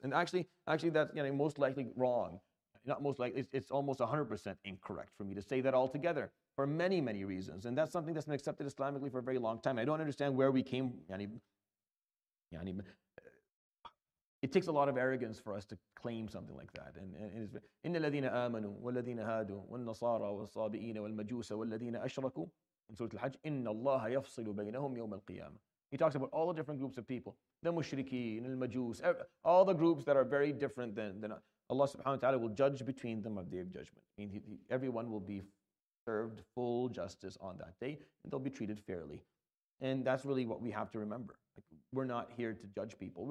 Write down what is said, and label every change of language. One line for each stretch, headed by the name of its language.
English: And actually that's most likely wrong. Not most likely, it's almost 100% incorrect for me to say that altogether for many, many reasons. And that's something that's been accepted Islamically for a very long time. I don't understand where we came... It takes a lot of arrogance for us to claim something like that.
Arabic: إِنَّ الَّذِينَ آمَنُوا وَالَّذِينَ هَادُوا وَالنَّصَارَى وَالصَّابِئِينَ وَالْمَجُوسَ وَالَّذِينَ أَشْرَكُوا
English: in Surah Al-Hajj,
Arabic: إِنَّ اللَّهَ يَفْصِلُ بَيْنَهُمْ يَوْمَ الْقِيَامَةِ.
English: He talks about all the different groups of people. The mushrikeen, the majus, all the groups that are very different than Allah subhanahu wa ta'ala will judge between them on the day of judgment. I mean, everyone will be served full justice on that day, and they'll be treated fairly. And that's really what we have to remember. Like, we're not here to judge people.